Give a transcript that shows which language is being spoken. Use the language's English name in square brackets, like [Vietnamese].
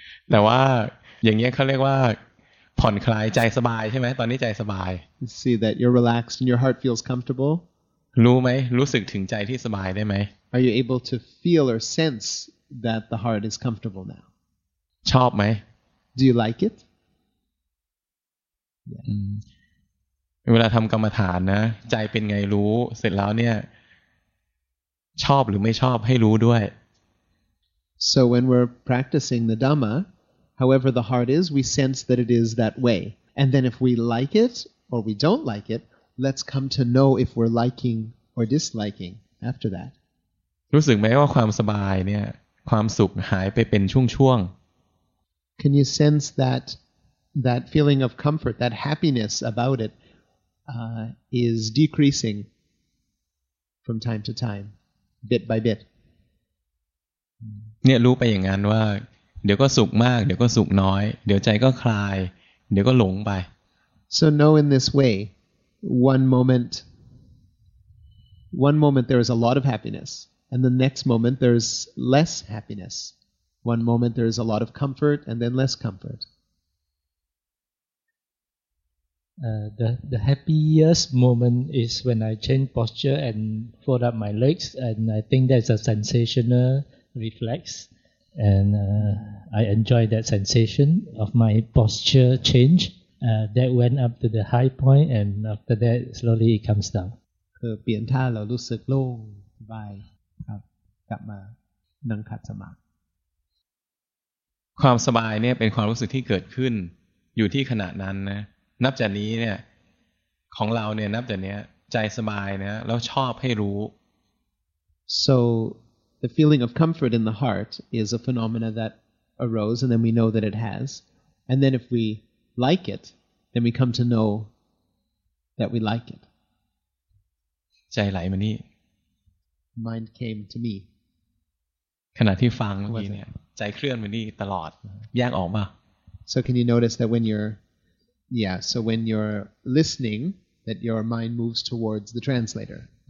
[Thai] แต่ว่าอย่างเงี้ยเขาเรียกว่าผ่อนคลายใจสบายใช่ไหมตอนนี้ใจสบาย [English] See that you're relaxed and your heart feels comfortable. [Thai] รู้ไหมรู้สึกถึงใจที่สบายได้ไหม [English] Are you able to feel or sense that the heart is comfortable now? [Thai] ชอบไหม [English] Do you like it? Yeah. [Thai] เวลาทำกรรมฐานนะใจเป็นไงรู้เสร็จแล้วเนี่ยชอบหรือไม่ชอบให้รู้ด้วย [English] So when we're practicing the Dhamma, however the heart is, we sense that it is that way. And then if we like it or we don't like it, let's come to know if we're liking or disliking after that. [Thai] รู้สึกไหมว่าความสบายเนี่ยความสุขหายไปเป็นช่วง [English] ๆ Can you sense that feeling of comfort, that happiness about itis decreasing from time to time, bit by bit. [Thai] เนี่ยรู้ไปอย่างนั้นว่าเดี๋ยวก็สุขมากเดี๋ยวก็สุขน้อยเดี๋ยวใจก็คลายเดี๋ยวก็หลงไป [English] So know in this way, one moment there is a lot of happiness, and the next moment there is less happiness. One moment there is a lot of comfort, and then less comfort. The happiest moment is when I change posture and fold up my legs, and I think that's a sensational reflex, and I enjoy that sensation of my posture change. That went up to the high point, and after that, slowly it comes down. [Thai] คือเปลี่ยนท่าเรารู้สึกโล่งสบายครับกลับมานั่งขัดสมาธิ ความสบายเนี่ยเป็นความรู้สึกที่เกิดขึ้นอยู่ที่ขณะนั้นนะนับจากนี้เนี่ยของเราเนี่ยนับจากนี้ใจสบายนะแล้วชอบให้รู้ [English] So the feeling of comfort in the heart is a phenomena that arose and then we know that it has and then if we like it then we come to know that we like it [Thai] ใจไหลมานี่ [English] Mind came to me [Thai] ขณะที่ฟังเมื่อกี้เนี่ยใจเคลื่อนมานี่ตลอดแยกออกมา [English] So can you notice that when youreYeah, so when you're listening, that your mind moves towards the translator.